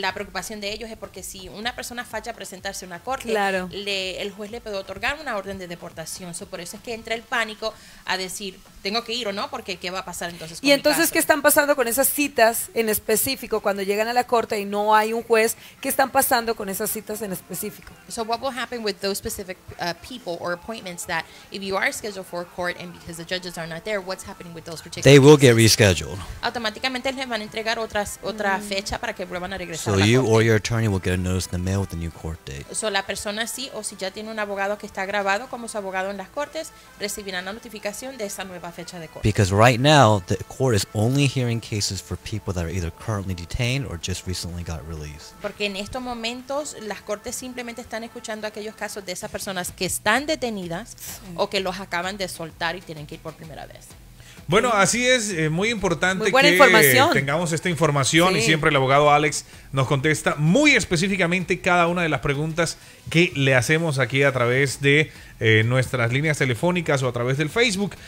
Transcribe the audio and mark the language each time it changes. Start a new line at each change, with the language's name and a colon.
Spanish: La preocupación de ellos es porque si una persona falla a presentarse a una corte, claro. El juez le puede otorgar una orden de deportación. So, por eso es que entra el pánico a decir, ¿tengo que ir o no? Porque ¿qué va a pasar entonces con mi caso? ¿Y entonces qué están pasando con esas citas en específico cuando llegan a la corte y no hay un juez? ¿Qué están pasando con esas citas en específico?
English: So what will happen with those specific people or appointments that if you are scheduled for court and because the judges are not there, what's happening with those particular They will cases? Get rescheduled.
Spanish: Automáticamente les van a entregar otra fecha para que vuelvan a regresar. a la
English: you
Spanish: corte.
English: Or your attorney will get a notice in the mail with the new court date.
Spanish: So la persona sí o si ya tiene un abogado que está grabado como su abogado en las cortes recibirán la notificación de esa nueva fecha de corte.
English: Because right now the court is only hearing cases for people that are either currently detained or just recently got released.
Spanish: Porque en estos momentos las cortes simplemente están escuchando aquellos casos de esas personas que están detenidas o que los acaban de soltar y tienen que ir por primera vez. Bueno, así es, muy importante que tengamos esta información, sí. Y siempre el abogado Alex nos contesta muy específicamente cada una de las preguntas que le hacemos aquí a través de nuestras líneas telefónicas o a través del Facebook.